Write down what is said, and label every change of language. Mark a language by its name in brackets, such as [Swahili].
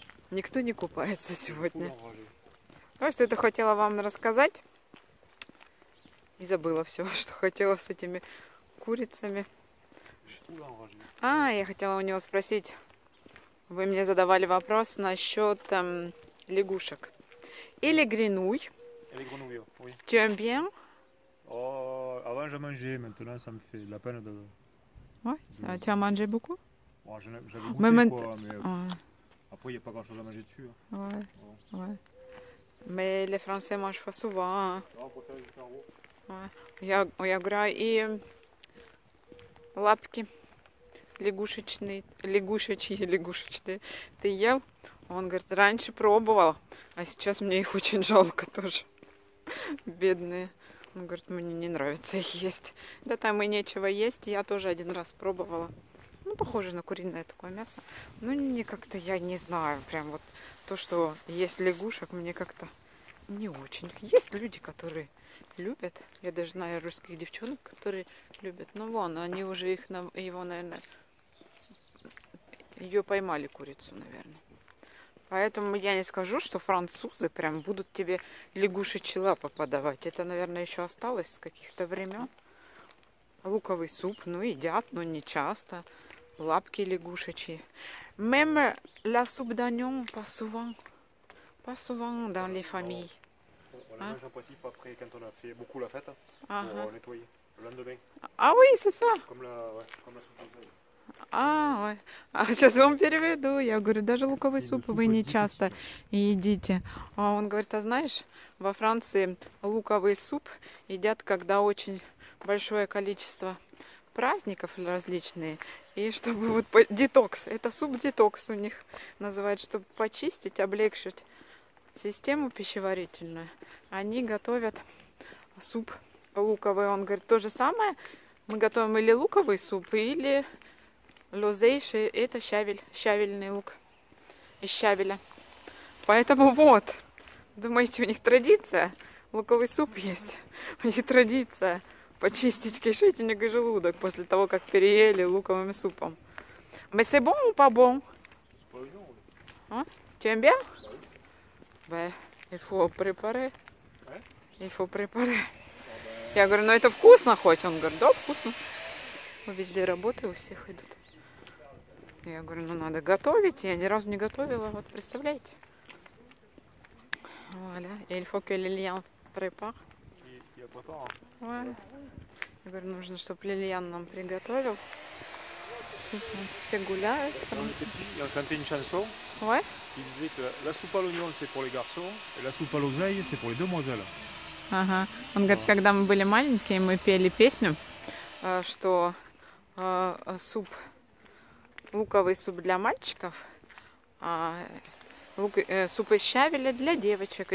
[Russian] Никто не купается сегодня. Ну, что это хотела вам рассказать. И забыла все, что хотела с этими курицами. А, я хотела у него спросить. Вы мне задавали вопрос насчет лягушек. Или гринуй. [French] Tu aimes bien? Oh, avant j'ai mangé, maintenant ça me fait la peine de. Ouais, de... tu as mangé beaucoup? Ouais, j'avais goûté mais quoi, mais ouais. Après il y a pas grand-chose à manger dessus. Hein. Ouais. Ouais. Ouais. Mais les Français mangent pas souvent. Hein. Non, on préfère les carreaux. Ouais. [Russian] Et лапки, лягушечные, ты ел? Он говорит, раньше пробовал, а сейчас мне их очень жалко тоже. Бедные. Он говорит, мне не нравится их есть. Да там и нечего есть. Я тоже один раз пробовала. Ну, похоже на куриное такое мясо. Ну, не как-то, я не знаю. Прям вот то, что есть лягушек, мне как-то не очень. Есть люди, которые любят. Я даже знаю русских девчонок, которые любят. Ну, вон, они уже их, его, наверное, ее поймали, курицу, наверное. Поэтому я не скажу, что французы прям будут тебе лягушечьи лапы подавать. Это, наверное, еще осталось с каких-то времен. Луковый суп, ну, едят, но не часто. Лапки лягушечьи. [French] Même la soupe d'oignon, pas souvent. Pas souvent dans les familles. On la mange en principe après, quand on a fait beaucoup la fête, pour nettoyer le lendemain. Ah oui, c'est ça. Comme la, ouais, comme la soupe d'oignon. [Russian] А, ой. А сейчас вам переведу. Я говорю, даже луковый суп вы не часто едите. А он говорит, а знаешь, во Франции луковый суп едят, когда очень большое количество праздников различные. И чтобы вот детокс, это суп-детокс у них называют, чтобы почистить, облегчить систему пищеварительную. Они готовят суп луковый. Он говорит, то же самое, мы готовим или луковый суп, или... Лозейши – это щавель, щавельный лук из щавеля. Поэтому вот, думаете, у них традиция? Луковый суп есть. У них традиция почистить кишечник и желудок после того, как переели луковым супом. [French] Mais c'est bon ou pas bon? Tu aimes bien? Il faut préparer. Il faut préparer. [Russian] Я говорю, ну это вкусно хоть? Он говорит, да, вкусно. Везде работы у всех идут. Я говорю, ну надо готовить. Я ни разу не готовила. Вот представляете? [French] Voilà. Il faut que Lilian prépare. Я prépare. Voilà. [Russian] Я говорю, нужно, чтобы Лилиан нам приготовил. Все гуляют. [French] Я chanté une chanson. Ouais. Il disait que la soupe à l'oignon c'est pour les garçons et la soupe à l'oseille c'est pour les demoiselles. [Russian] Ага. Он говорит, когда мы были маленькие, мы пели песню, что суп луковый суп для мальчиков, а суп из щавеля для девочек.